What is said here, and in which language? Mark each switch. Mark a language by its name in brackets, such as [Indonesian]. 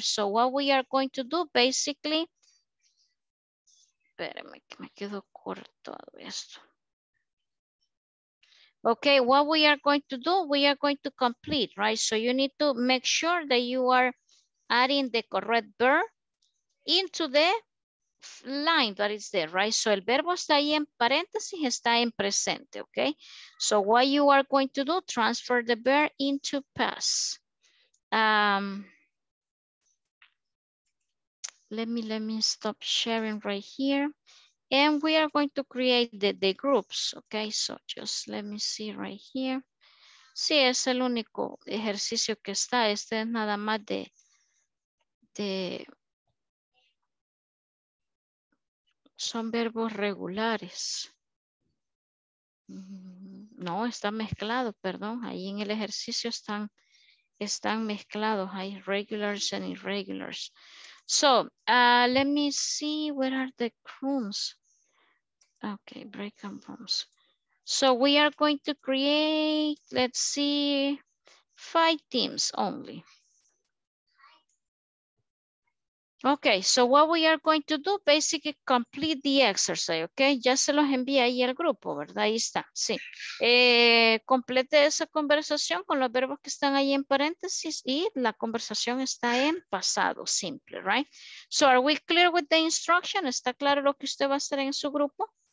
[English] So what we are going to do basically, [Spanish] espérame que me quedo corto esto. [English] Okay, what we are going to do, we are going to complete, right? So you need to make sure that you are adding the correct verb into the line that is there, right? So [Spanish] el verbo está ahí en paréntesis, está en presente, [English] okay? So what you are going to do, transfer the verb into past. Let me stop sharing right here. And we are going to create the groups, okay? So just let me see right here. [Spanish] Sí, es el único ejercicio que está. Este es nada más de son verbos regulares. No, está mezclado, perdón. Ahí en el ejercicio están mezclados. [English] Hay regulars and irregulars. So, let me see where are the rooms. Okay, breakout rooms. So we are going to create, let's see, 5 teams only. Okay, so what we are going to do, basically complete the exercise, okay? [Spanish] Ya se los envía ahí el grupo, ¿verdad? Ahí está, sí. Complete esa conversación con los verbos que están ahí en paréntesis y la conversación está en pasado, simple, [English] right? So are we clear with the instruction? [Spanish] ¿Está claro lo que usted va a hacer en su grupo?